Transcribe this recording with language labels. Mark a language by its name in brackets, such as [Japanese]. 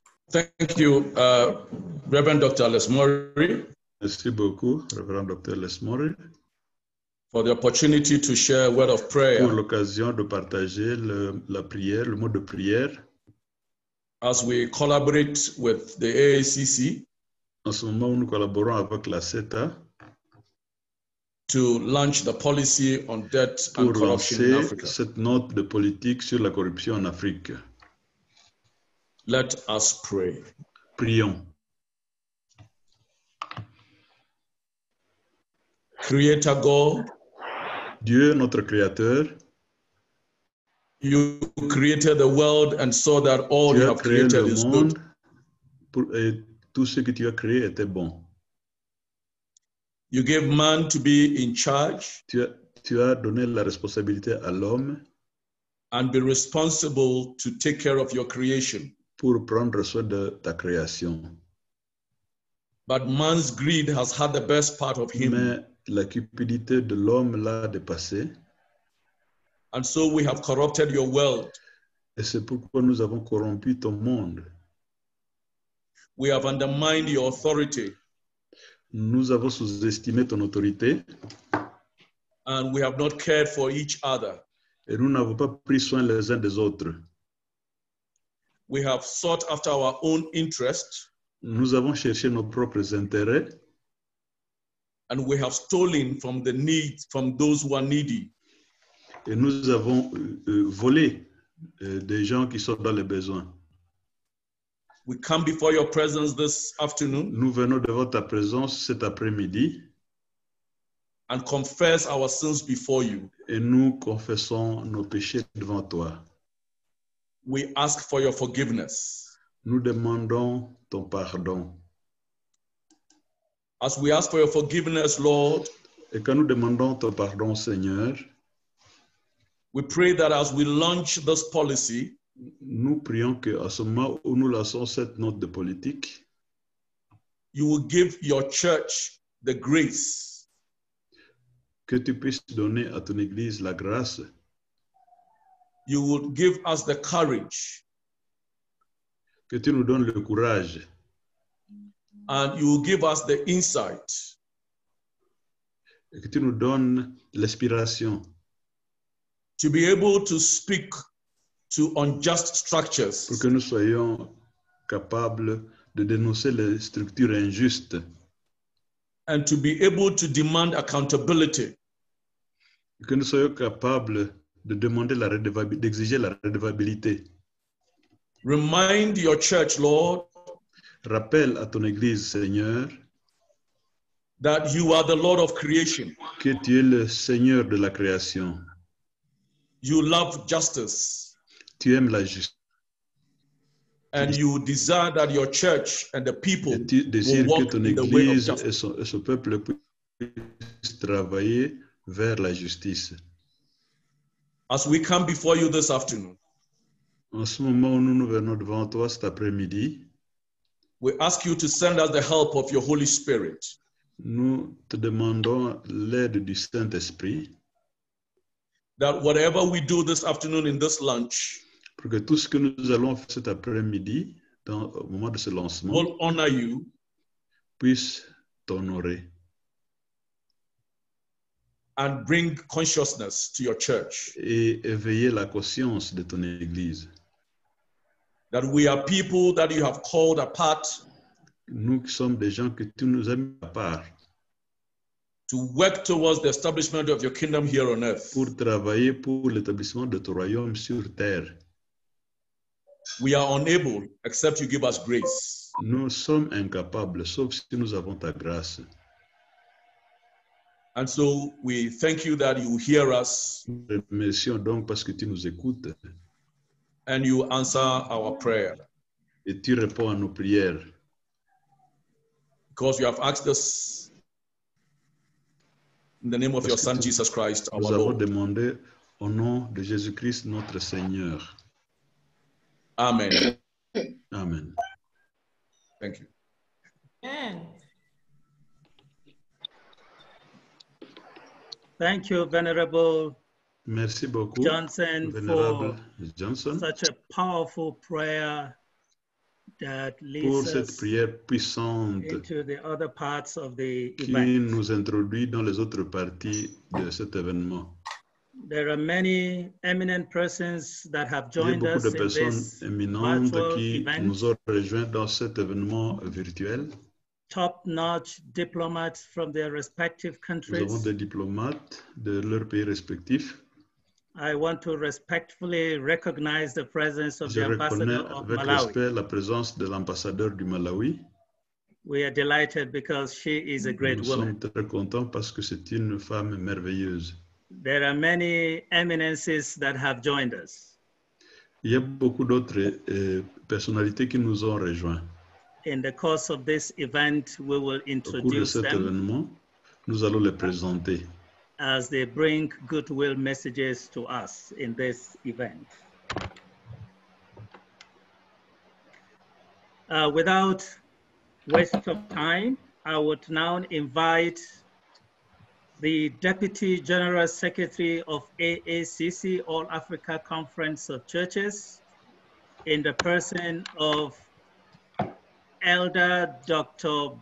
[English] Thank you, Reverend Dr. Lesmori. [French] Merci beaucoup, Reverend Dr. Lesmori. [English] For the opportunity to share a word of prayer. [French] Pour l'occasion de partager la prière, le mot de prière. [English] As we collaborate with the Aacc. [French] En ce moment, nous collaborons avec la CETA. [English] To launch the policy on debt and corruption in Africa. Pour [French] lancer cette note de politique sur la corruption en Afrique. [English] Let us pray. [French] Prions. [English] Creator God, [French] Dieu notre créateur, [English] you created the world and saw that all you have created is good. [French] Et tout ce que tu as créé était bon. [English] You gave man to be in charge. [French] Tu as donné la responsabilité à l'homme. [English] And be responsible to take care of your creation. [French] Pour prendre soin de ta création. [English] But man's greed has had the best part of him. [French] Mais la cupidité de l'homme l'a dépassé. [English] And so we have corrupted your world. [French] Et c'est pourquoi nous avons corrompu ton monde. [English] We have undermined your authority. [French] Nous avons sous-estimé ton autorité. [English] And we have not cared for each other. [French] Et nous n'avons pas pris soin les uns des autres. [English] We have sought after our own interest. [French] Nous avons cherché nos propres intérêts. [English] And we have stolen from the needs from those who are needy. [French] Et nous avons volé des gens qui sont dans les besoins. [English] We come before your presence this afternoon. [French] Nous venons devant ta présence cet après-midi. [English] And confess our sins before you. [French] Et nous confessons nos péchés devant toi. [English] We ask for your forgiveness. [French] Nous demandons ton pardon. [English] As we ask for your forgiveness, Lord, [French] et quand nous demandons ton pardon, Seigneur, [English] we pray that as we launch this policy, [French] nous prions que à ce moment où nous lançons cette note de politique, [English] you will give your church the grace. [French] Que tu puisses donner à ton église la grâce. [English] You will give us the courage. [French] Que tu nous donnes le courage. [English] And you will give us the insight. [French] Et que tu nous donnes l'inspiration. [English] To be able to speak to unjust structures. [French] Pour que nous soyons capables de dénoncer les structures injustes. [English] And to be able to demand accountability. [French] Et que nous soyons capables de demander la redevabilité, d'exiger la redevabilité. [English] Remind your church, Lord. [French] Rappelle à ton église, Seigneur, [English] that you are the Lord of creation. [French] Que tu es le Seigneur de la création. [English] You love justice. [French] Tu aimes la justice. [English] And you desire that your church and the people [French] et tu désires [English] will walk [French] que ton église et son peuple puissent travailler vers la justice. [English] As we come before you this afternoon, [French] en ce moment où nous venons devant toi cet après-midi, [English] we ask you to send us the help of your Holy Spirit. [French] Nous te demandons l'aide du Saint-Esprit. [English] That whatever we do this afternoon in this lunch, [French] pour que tout ce que nous allons faire cet après-midi, dans, au moment de ce lancement, [English] will honor you, [French] puisse t'honorer. [English] And bring consciousness to your church. [French] Et éveiller la conscience de ton église. [English] That we are people that you have called apart. [French] Nous sommes des gens que tu nous as mis à part. [English] To work towards the establishment of your kingdom here on earth. [French] Pour travailler pour l'établissement de ton royaume sur terre. [English] We are unable except you give us grace. [French] Nous sommes incapables sauf si nous avons ta grâce. [English] And so we thank you that you hear us. [French] Remercions donc parce que tu nous écoutes. [English] And you answer our prayer. [French] Et tu réponds à nos prières. [English] Because you have asked us in the name of [French] parce [English] your Son Jesus Christ, our [French] nous [English] Lord. [French] Nous avons demandé au nom de Jésus-Christ, notre Seigneur. [English] Amen. [French] Amen. [English] Thank you. [French] Amen. [English] Thank you, Venerable [French] merci beaucoup, Johnson, Venerable [English] for [French] Johnson. [English] Such a powerful prayer that leads [French] pour cette prière puissante [English] into the other parts of the [French] qui [English] event. [French] Nous introduit dans les autres parties de cet événement. [English] There are many eminent persons that have joined us in this virtual [French] event. Qui nous ont rejoint dans cet événement virtuel. [English] Top-notch diplomats from their respective countries. [French] Nous avons des diplomates de leurs pays respectifs. [English] I want to respectfully recognize the presence of [French] Je [English] the ambassador [French] avec [English] of Malawi. [French] Respect la présence de l'ambassadeur du Malawi. [English] We are delighted because she is a great [French] Nous [English] woman. [French] Nous sommes très contents parce que c'est une femme merveilleuse. [English] There are many eminences that have joined us. [French] Il y a beaucoup d'autres personnalités qui nous ont rejoints. [English] In the course of this event, we will introduce [French] Au cours de cet [English] them [French] événement, nous allons les présenter. [English] As they bring goodwill messages to us in this event. Without waste of time, I would now invite the Deputy General Secretary of Aacc, All Africa Conference of Churches, in the person of Elder Dr.